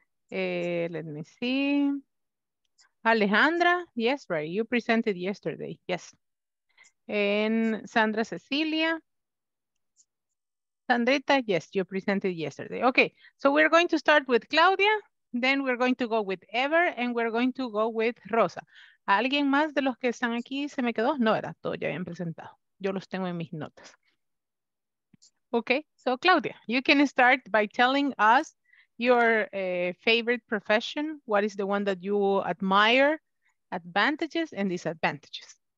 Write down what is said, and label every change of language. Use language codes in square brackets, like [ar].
[en] Let me see. Alejandra, yes, right. You presented yesterday. Yes. And Sandra Cecilia. Sandrita, yes, you presented yesterday. Okay, so we're going to start with Claudia, then we're going to go with Ever, and we're going to go with Rosa. [es] ¿Alguien más de los que están aquí se me quedó? No, era todo, ya habían presentado. Yo los tengo en mis notas. [en] Okay, so Claudia, you can start by telling us your favorite profession. What is the one that you admire? Advantages and disadvantages.